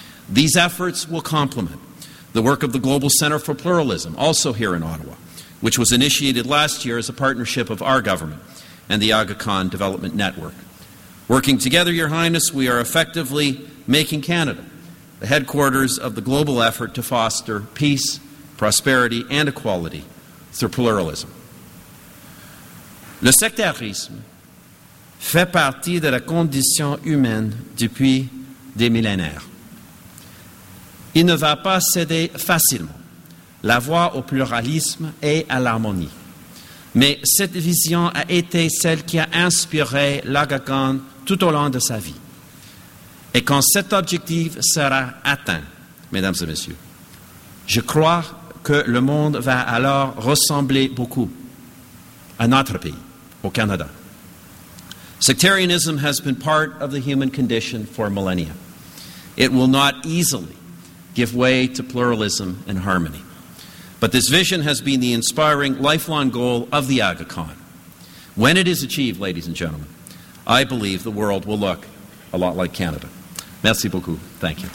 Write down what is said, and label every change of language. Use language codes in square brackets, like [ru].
[en] These efforts will complement the work of the Global Center for Pluralism, also here in Ottawa, which was initiated last year as a partnership of our government and the Aga Khan Development Network. Working together, Your Highness, we are effectively making Canada the headquarters of the global effort to foster peace, prosperity, and equality through pluralism. [fr] Le sectarisme fait partie de la condition humaine depuis des millénaires. Il ne va pas céder facilement la voie au pluralisme et à l'harmonie. Mais cette vision a été celle qui a inspiré l'Aga Khan tout au long de sa vie. Et quand cet objectif sera atteint, mesdames et messieurs, je crois que le monde va alors ressembler beaucoup à notre pays, au Canada. [en] Sectarianism has been part of the human condition for millennia. It will not easily give way to pluralism and harmony. But this vision has been the inspiring, lifelong goal of the Aga Khan. When it is achieved, ladies and gentlemen, I believe the world will look a lot like Canada. [fr] Merci beaucoup. [en] Thank you.